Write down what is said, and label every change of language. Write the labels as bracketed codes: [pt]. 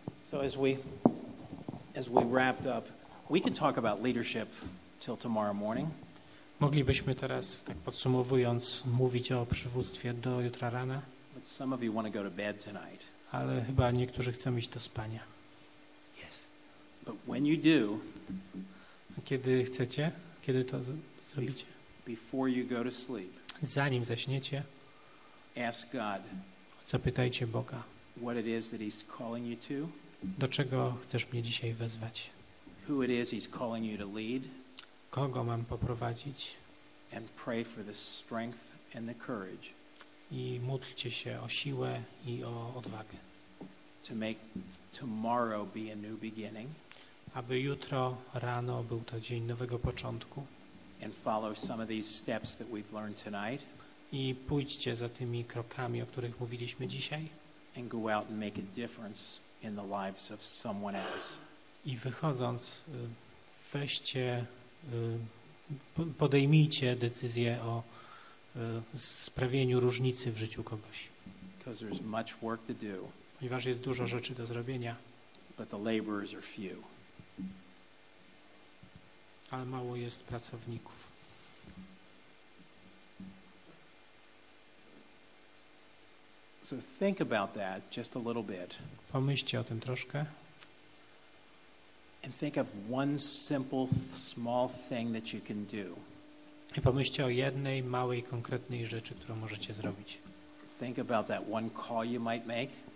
[en] So as we wrap up, we could talk about leadership till tomorrow morning. [pl] Moglibyśmy teraz, tak podsumowując, mówić o przywództwie do jutra rana. [en] But some of you want to go to bed tonight. [pl] Ale chyba niektórzy chcą iść do spania. [en] Yes. But when you do, [pl] kiedy chcecie, kiedy to zrobicie? [en] Before you go to sleep. [pl] Zanim zaśniecie. [en] Ask God. [pl] Zapytajcie Boga, [en] what it is that he's calling you to? [pl] Do czego chcesz mnie dzisiaj wezwać? [en] Who it is he's calling you to lead? [pl] Kogo mam poprowadzić? [en] And pray for the strength and the courage. [pl] I módlcie się o siłę i o odwagę. [en] To make tomorrow be a new beginning. [pl] Aby jutro rano był to dzień nowego początku. [en] And follow some of these steps that we've learned tonight. [pl] I pójdźcie za tymi krokami, o których mówiliśmy dzisiaj. [en] And go out and make a difference in the lives of someone else. [pl] I wychodząc, weźcie, podejmijcie decyzję o sprawieniu różnicy w życiu kogoś. [en] Because there's much work to do. [pl] Ponieważ jest dużo rzeczy do zrobienia. [en] But the laborers are few. [pl] Ale mało jest pracowników. [en] So think about that just a little bit. [pl] Pomyślcie o tym troszkę. [en] And think of one simple, small thing that you can do. [pl] I pomyślcie o jednej małej, konkretnej rzeczy, którą możecie zrobić. [en] Think about that one call you might make.